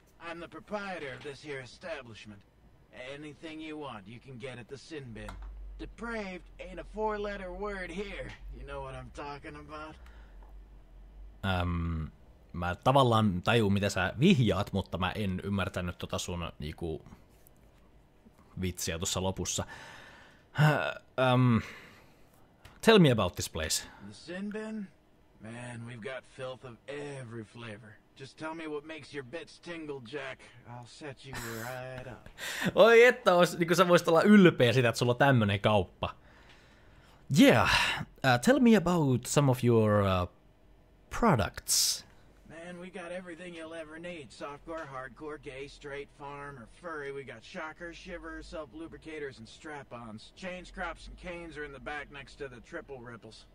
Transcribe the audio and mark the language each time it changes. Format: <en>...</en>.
<en>I'm the proprietor of this here establishment. Anything you want, you can get at the sin bin. Depraved ain't a four-letter word here. You know what I'm talking about?</en> <fi>Mä tavallaan tajun, mitä sä vihjaat, mutta mä en ymmärtänyt tota sun niinku vitsiä tuossa lopussa.</fi> <en>Tell me about this place. The sin bin? Man, we've got filth of every flavor. Just tell me what makes your bits tingle, Jack. I'll set you right up.</en> <fi>Oi että, olis, niin kuin sä voisit olla ylpeä sitä, että sulla on tämmönen kauppa.</fi> <en>Yeah, tell me about some of your products. Man, we got everything you'll ever need. Softcore, hardcore, gay, straight, farm, or furry. We got shockers, shivers, self-lubricators, and strap-ons. Chains, crops, and canes are in the back next to the triple ripples.</en>